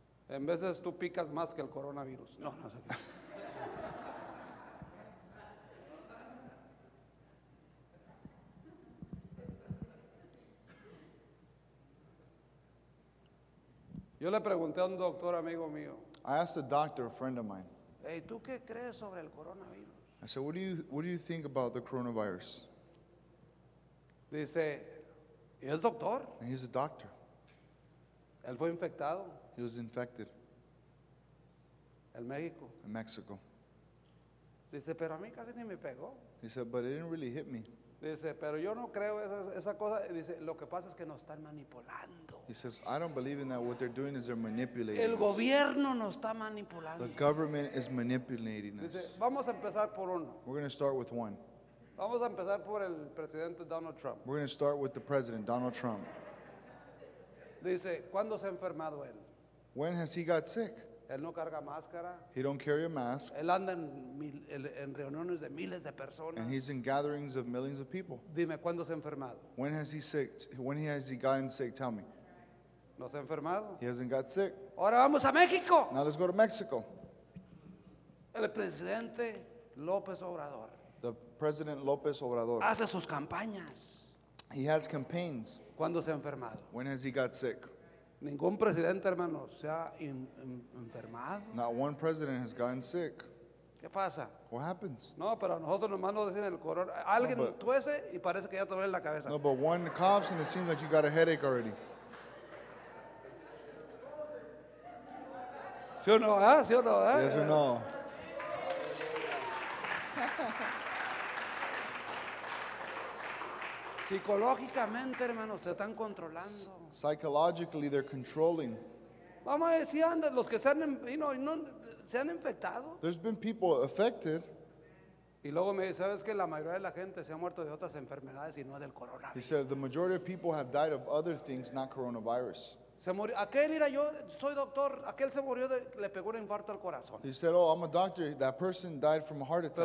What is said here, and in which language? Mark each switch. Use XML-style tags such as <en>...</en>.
<es>En veces tú picas más que el coronavirus. No, no sé qué. Yo le pregunté a un doctor amigo mío.</es> <en>I asked a doctor, a friend of mine.</en> <es>Hey, ¿tú qué crees sobre el coronavirus?</es> <en>I said, what do you think about the coronavirus?</en> <es>Dice, ¿y es doctor?</es> <en>And he's a doctor.</en> <es>Él fue infectado.</es> <en>He was infected.</en> <es>El México.</es> <en>In Mexico.</en> <es>Dice, pero a mí casi ni me pegó.</es> <en>He said, but it didn't really hit me.</en> <es>Dice, pero yo no creo esa cosa. Dice, lo que pasa es que nos están manipulando.</es> <en>He says, I don't believe in that. What they're doing is they're manipulating.</en> <es>El gobierno nos está manipulando.</es> <en>The government is manipulating us.</en> <es>Dice, vamos a empezar por uno.</es> <en>We're going to start with one.</en> <es>Vamos a empezar por el presidente Donald Trump.</es> <en>We're going to start with the president, Donald Trump.</en> <es>Dice, ¿cuándo se ha enfermado él?</es> <en>When has he got sick?</en> <es>Él no carga máscara.</es> <en>He don't carry a mask.</en> <es>Él anda en reuniones de miles de personas.</es> <en>And he's in gatherings of millions of people.</en> <es>Dime, ¿cuándo se ha enfermado?</es> <en>When has he sick? When has he gotten sick? Tell me.</en> <es>No se ha enfermado.</es> <en>He hasn't got sick.</en> <es>Ahora vamos a México.</es> <en>Now let's go to Mexico.</en> <es>El presidente López Obrador.</es> <en>The president López Obrador.</en> <es>Hace sus campañas.</es> <en>He has campaigns.</en> <es>¿Cuándo se ha enfermado?</es> <en>When has he got sick?</en> <es>Ningún presidente, hermano, se ha enfermado.</es> <en>Not one president has gotten sick.</en> <es>¿Qué pasa?</es> <en>What happens?</en> <es>No, pero nosotros nomás nos dicen el corona. Alguien tuese y parece que ya te duele la cabeza.</es> <en>No, but one coughs and it seems like you got a headache already.</en> <es>¿Sí o no, eh? ¿Sí o no, eh?</es> <en>Yes or no.</en> <es>Psicológicamente, hermanos, se están controlando.</es> <en>Psychologically, they're controlling.</en> <es>Vamos a decir, anda, los que se han, se han infectado.</es> <en>There's been people affected.</en> <es>Y luego me dice, ¿sabes que la mayoría de la gente se ha muerto de otras enfermedades y no del coronavirus?</es> <en>He said, the majority of people have died of other things, not coronavirus.</en> <es>Se murió, aquel, mira, yo soy doctor, aquel se murió, le pegó un infarto al corazón.</es> <en>He said, oh, I'm a doctor, that person died from a heart attack.</en>